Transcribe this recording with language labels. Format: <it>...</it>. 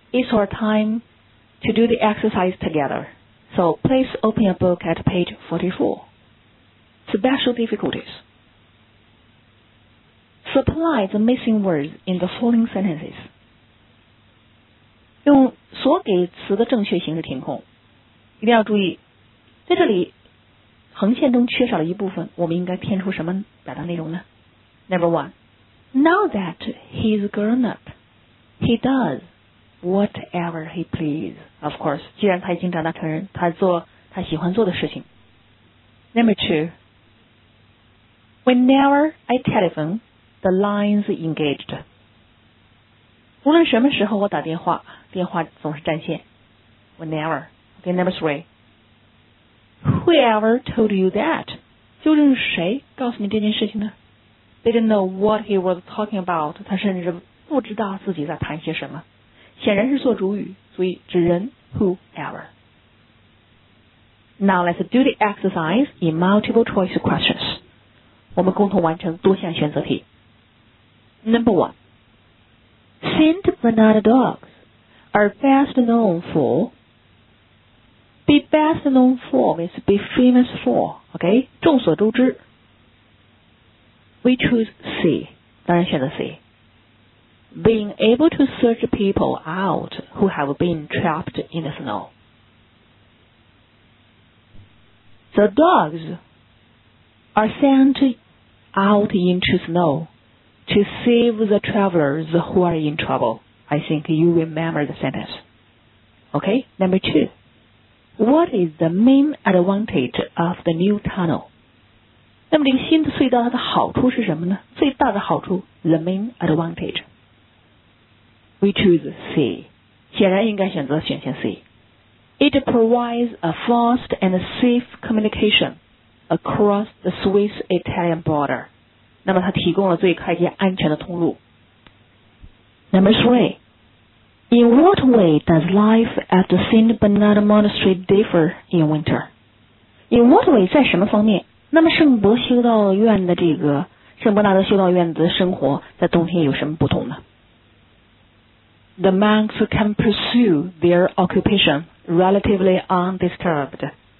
<en>It's our time to do the exercise together. So please open your book at page 44. Special difficulties. Supply the missing words in the following sentences.</en> <zh>用所给词的正确形式填空。一定要注意，在这里横线中缺少了一部分，我们应该填出什么表达内容呢？</zh> <en>Number one, now that he's grown up, he does whatever he please. Of course,</en> <zh>既然他已经长大成人，他做他喜欢做的事情。</zh> <en>Number two, whenever I telephone, the line's engaged.</en> <zh>无论什么时候我打电话，电话总是占线。</zh> <en>Whenever. Okay, number three, whoever told you that?</en> <zh>究竟是谁告诉你这件事情呢？</zh> <en>They didn't know what he was talking about.</en> <zh>他甚至不知道自己在谈些什么。显然是做主语，所以指人 whoever.</zh> <en>Now let's do the exercise in multiple choice questions.</en> <zh>我们共同完成多项选择题。</zh> <en>Number one, Saint Bernard dogs are best known for. Be best known for means be famous for. Okay,</en> <zh>众所周知。</zh> <en>We choose C,</en> <zh>当然选择 C.</zh> <en>Being able to search people out who have been trapped in the snow. The dogs are sent out into snow to save the travelers who are in trouble. I think you remember the sentence. Okay, number two. What is the main advantage of the new tunnel?</en> <zh>那么这个新的隧道它的好处是什么呢？最大的好处</zh> <en>The main advantage. We choose C.</en> <zh>显然应该选择选项 C.</zh> <en>It provides a fast and safe communication across the Swiss-Italian border.</en> <zh>那么它提供了最快捷安全的通路。</zh> <en>Number 3. In what way does life at the St. Bernard Monastery differ in winter? In what way</en> <zh>在什么方面那么圣伯修道院的这个圣伯纳德修道院的生活在冬天有什么不同呢</zh> <en>The monks can pursue their occupation relatively undisturbed.</en>